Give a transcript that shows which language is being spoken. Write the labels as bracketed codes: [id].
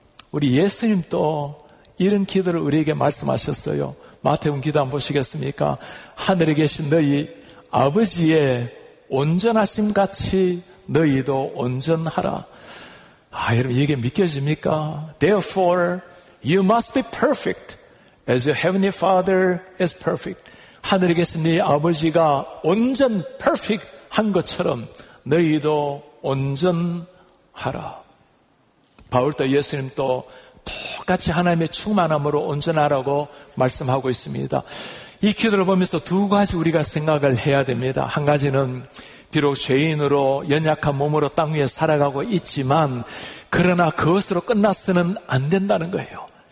[ko] 우리 예수님도 이런 기도를 우리에게 말씀하셨어요. 마태복음 기도 한번 보시겠습니까? 하늘에 계신 너희 아버지의 온전하심 같이 너희도 온전하라. 아, 여러분, 이게 믿겨집니까? [en] Therefore, you must be perfect as your heavenly Father is perfect. [ko] 하늘에 계신 네 아버지가 온전 perfect 한 것처럼 너희도 온전하라. 바울도 예수님도 똑같이 하나님의 충만함으로 온전하라고 말씀하고 있습니다. 이 기도를 보면서 두 가지 우리가 생각을 해야 됩니다. 한 가지는 비록 죄인으로 연약한 몸으로 땅 위에 살아가고 있지만 그러나 그것으로 끝났으면 안 된다는 거예요.